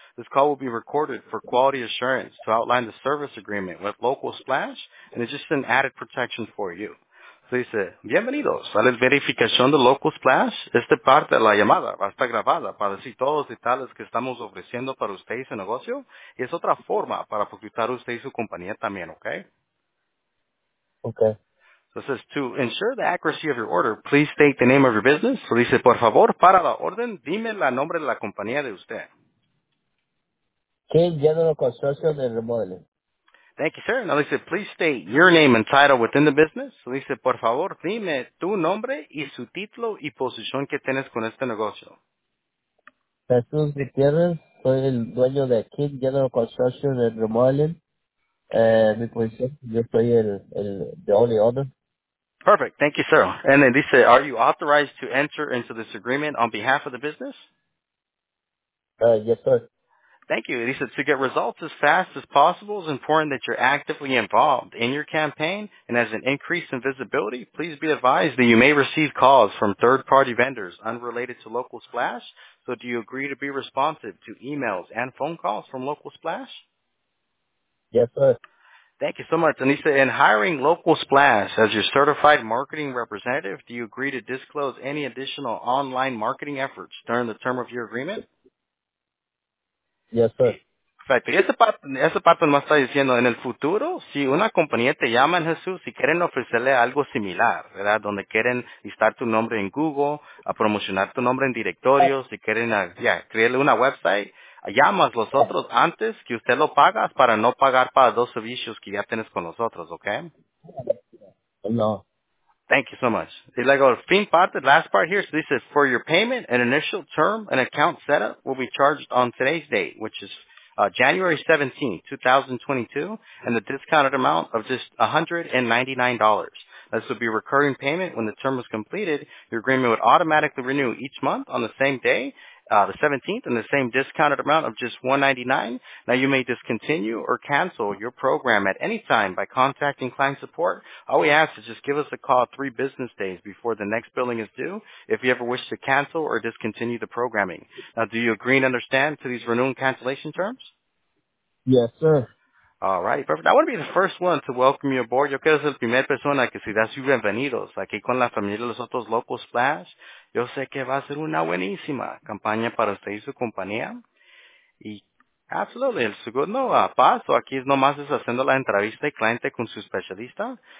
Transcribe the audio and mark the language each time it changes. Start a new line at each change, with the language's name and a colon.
English: This call will be recorded for quality assurance to outline the service agreement with Local Splash. And it's just an added protection for you.
Spanish: Se dice, bienvenidos a la verificación de Local Splash. Esta parte de la llamada va a estar grabada para decir todos los detalles que estamos ofreciendo para usted y su negocio. Y es otra forma para facilitar usted y su compañía también, ¿ok?
English: Ok. Entonces, to ensure the accuracy of your order, please state the name of your business.
Spanish: Se dice, por favor, para la orden, dime el nombre de la compañía de usted.
English: King General Construction and Remodeling. Thank you, sir. Now, Lisa, please state your name and title within the business.
Spanish: Lisa, por favor, dime tu nombre y su título y posición que tienes con este negocio. Jesús Gutiérrez, soy el dueño de King General Construction and Remodeling. Mi posición, yo soy el
English: the only owner. Perfect. Thank you, sir. And then Lisa, are you authorized to enter into this agreement on behalf of the business? Yes, sir. Thank you. He said, to get results as fast as possible, it's important that you're actively involved in your campaign. And as an increase in visibility, please be advised that you may receive calls from third-party vendors unrelated to Local Splash. So do you agree to be responsive to emails and phone calls from Local Splash? Yes, sir. Thank you so much. And he said, in hiring Local Splash as your certified marketing representative, do you agree to disclose any additional online marketing efforts during the term of your agreement? Yes, sir.
Spanish: Perfecto. Y esa parte nomás está diciendo, en el futuro, si una compañía te llama, en Jesús, si quieren ofrecerle algo similar, ¿verdad? Donde quieren listar tu nombre en Google, a promocionar tu nombre en directorios, si quieren crearle una website, llamas los otros antes que usted lo pagas para no pagar para dos servicios que ya tienes con nosotros, ¿ok? No.
English: Thank you so much.
Spanish: Y luego, el fin parte,
English: last part here, so this is for your payment, an initial term, an account setup will be charged on today's date, which is January 17, 2022, and the discounted amount of just $199. This will be a recurring payment when the term is completed. Your agreement would automatically renew each month on the same day, the 17th, and the same discounted amount of just $199. Now, you may discontinue or cancel your program at any time by contacting client support. All we ask is just give us a call 3 business days before the next billing is due if you ever wish to cancel or discontinue the programming. Now, do you agree and understand to these renewal and cancellation terms? Yes, sir. All right, perfect. I want to be the first one to welcome you aboard.
Spanish: Yo quiero ser la primera persona que si das bienvenidos aquí con la familia de los otros Local Splash. Yo sé que va a ser una buenísima campaña para usted y su compañía. Y,
English: absolutely,
Spanish: el segundo paso aquí es nomás es haciendo la entrevista de cliente con su especialista.